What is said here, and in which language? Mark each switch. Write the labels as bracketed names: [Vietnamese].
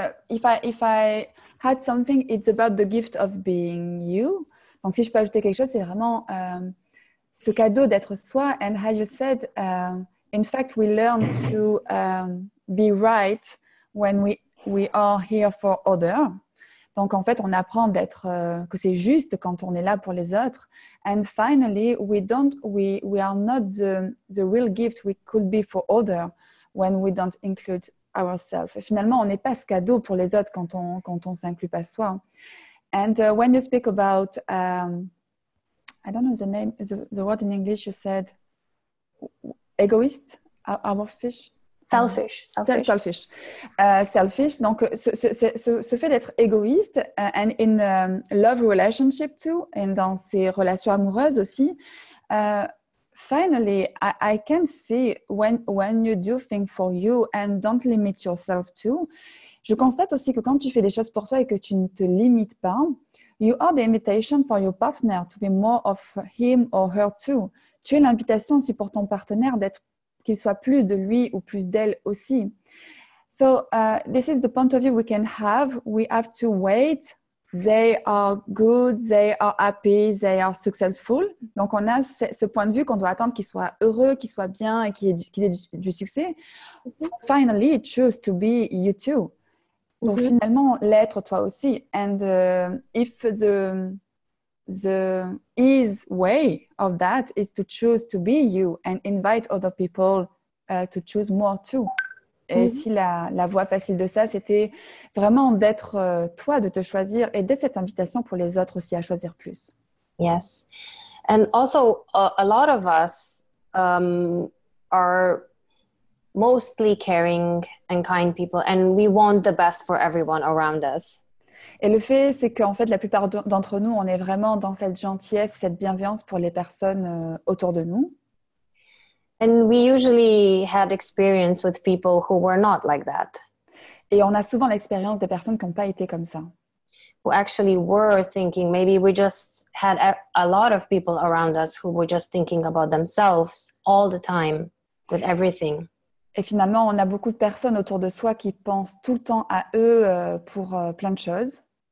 [English] If I had something, it's about the gift of being you. [French] Donc, si je peux ajouter quelque chose, c'est vraiment ce cadeau d'être soi. [English] And as you said, in fact, we learn to be right when we are here for others. [French] Donc, en fait, on apprend d'être que c'est juste quand on est là pour les autres. [English] And finally, we are not the real gift we could be for others when we don't include ourselves. [French] Et finalement, on n'est pas ce cadeau pour les autres quand on s'inclut pas soi. [English] And when you speak about, I don't know the name, the word in English you said, egoist, our fish. Selfish. Selfish. [French] Donc, ce fait d'être égoïste, [English] and in a love relationship too, and [French] dans ces relations amoureuses aussi. [English] Finally, I can see when you do things for you and don't limit yourself too. [French] Je constate aussi que quand tu fais des choses pour toi et que tu ne te limites pas, [English] you are the invitation for your partner to be more of him or her too. [French] Tu es l'invitation aussi pour ton partenaire d'être qu'il soit plus de lui ou plus d'elle aussi. [English] So, this is the point of view we can have. We have to wait they are good, they are happy, they are successful. [French] Donc, on a ce point de vue qu'on doit attendre qu'ils soient heureux, qu'ils soient bien et qu'ils aient du succès. [English] Mm-hmm. Finally, choose to be you too. Mm-hmm. [French] Pour finalement l'être toi aussi. [English] And if the easy way of that is to choose to be you and invite other people to choose more too. [French] Et mm-hmm. si la voie facile de ça, c'était vraiment d'être toi, de te choisir et d'être cette invitation pour les autres aussi à choisir plus. [English] Yes. And also, a lot of us are mostly caring and kind people and we want the best for everyone around us. [French] Et le fait, c'est qu'en fait, la plupart d'entre nous, on est vraiment dans cette gentillesse, cette bienveillance pour les personnes autour de nous. [English] And we usually had experience with people who were not like that. [French] Et on a souvent l'expérience des personnes qui n'ont pas été comme ça. [English] Who actually were thinking, maybe we just had a lot of people around us who were just thinking about themselves all the time, with everything. [French] Et finalement, on a beaucoup de personnes autour de soi qui pensent tout le temps à eux pour plein de choses.